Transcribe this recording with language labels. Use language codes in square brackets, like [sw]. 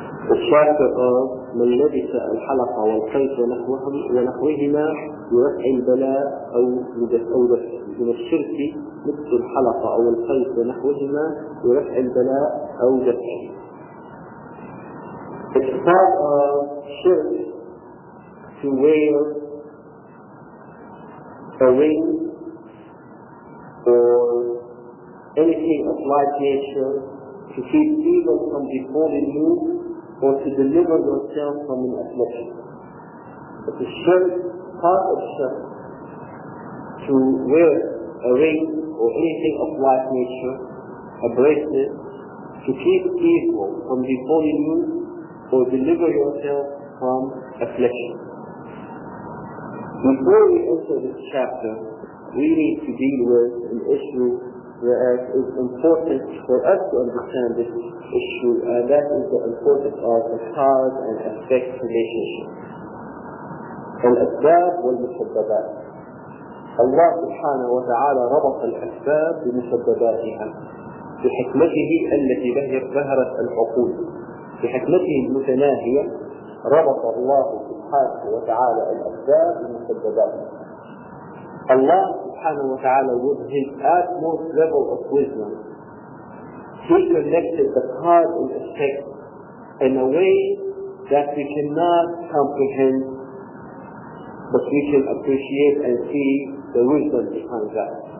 [ar] الشاكر قال من لبس الحلقة والقيس ونحوهما يرفع البلاء أو من الشرك لبس الحلقة أو القيس ونحوهما يرفع البلاء أو دفعه. [en] It's part of shirk to wear a ring or anything of light nature to keep evil from befalling you or to deliver yourself from an affliction. It's a shirk, part of shirk, to wear a ring or anything of light nature, a bracelet, to keep evil from befalling you or deliver yourself from affliction. Before we enter this chapter, we need to deal with an issue that is important for us to understand this issue, and that is the importance of the cause and effect relationship. [ar] الأسباب والمسببات. الله سبحانه وتعالى ربط الأسباب بمسبباتها بحكمته التي بهرت العقول بحكمته المتناهية. ربط الله سبحانه وتعالى الأسباب بمسبباتها. الله سبحانه وتعالى [en] with his utmost level of wisdom, he connected the cause and effect in a way that we cannot comprehend, but we can appreciate and see the wisdom behind that.